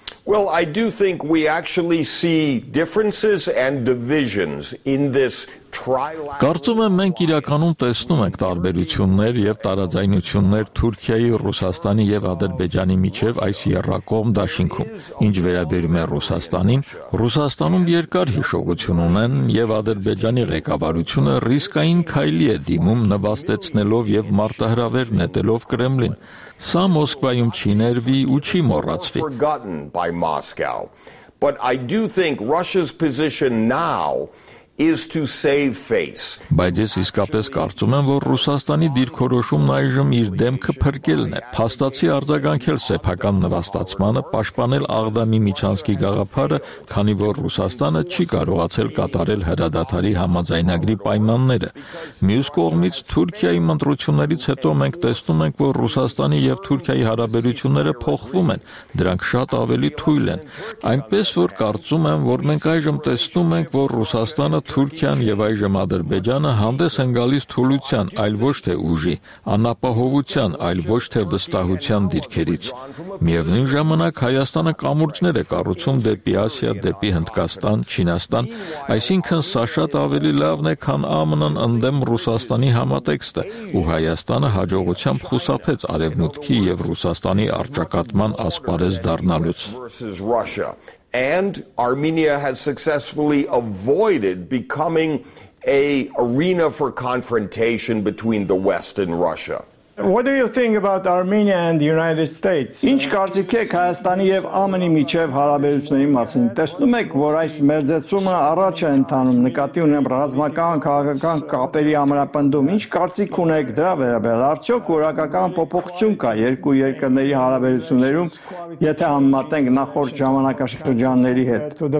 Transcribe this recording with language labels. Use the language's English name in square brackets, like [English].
[English] Well, I do think we actually see differences and divisions in this trilateral. [Armenian] Կարծում եմ, մենք իրականում տեսնում ենք տարբերություններ և տարաձայնություններ Թուրքիայի, Ռուսաստանի և Ադրբեջանի միջև այս երկկողմ դաշինքում։ Ինչ վերաբերում է Ռուսաստանին, Ռուսաստանում երկար հիշողություն ունեն, և Ադրբեջանի ղեկավարությունը ռիսկային քայլի է դիմում, նվաստեցնելով և մարտահրավեր նետելով Կրեմլին։ Սա Մոսկվայում չի ներվի ու չի մոռացվի։ [English] But I do think Russia's position now is to save face. [Armenian] Բայց ես իսկապես կարծում եմ, որ Ռուսաստանի դիրքորոշումն այժմ իր դեմքը փրկելն է, փաստացի արձագանքել սեփական նվաստացմանը, պաշտպանել Աղդամի միջանցքի գաղափարը, քանի որ Ռուսաստանը չի կարողացել կատարել հրադադարի համաձայնագրի պայմանները։ Մյուս կողմից Թուրքիայի մտրություններից հետո մենք տեսնում ենք, որ Ռուսաստանի և Թուրքիայի հարաբերությունները փոխվում են, դրանք շատ ավելի թույլ են, այնպես որ կարծում եմ, որ մենք այժմ տեսնում ենք, որ Ռուսաստանը Թուրքիան եւ այժմ Ադրբեջանը հանդես են գալիս թուլության, այլ ոչ թե ուժի, անապահովության, այլ ոչ թե վստահության դիրքերից։ Միևնույն ժամանակ Հայաստանը կամուրջներ է կառուցում դեպի Ասիա, դեպի Հնդկաստան, Չինաստան, այսինքն սա շատ ավելի լավն է, քան ԱՄՆ-ն ընդդեմ Ռուսաստանի համատեքստը, ու Հայաստանը հաջողությամբ խուսափեց Արևմուտքի եւ Ռուսաստանի արճակատման ասպարեզ դառնալուց։ [English] And Armenia has successfully avoided becoming an arena for confrontation between the West and Russia. What do you think about Armenia and the United States? [Armenian] Ինչ կարծիք եք Հայաստանի եւ ԱՄՆ-ի միջև հարաբերությունների մասին? Տեսնում եք, որ այս մերձեցումը առաջ է ընթանում, նկատի ունեմ ռազմական քաղաքական կապերի ամրապնդում։ Ինչ կարծիք ունեք դրա վերաբերյալ? Արդյոք որակական փոփոխություն կա երկու երկրների հարաբերություններում, եթե համապատենք նախորդ ժամանակաշրջանների հետ?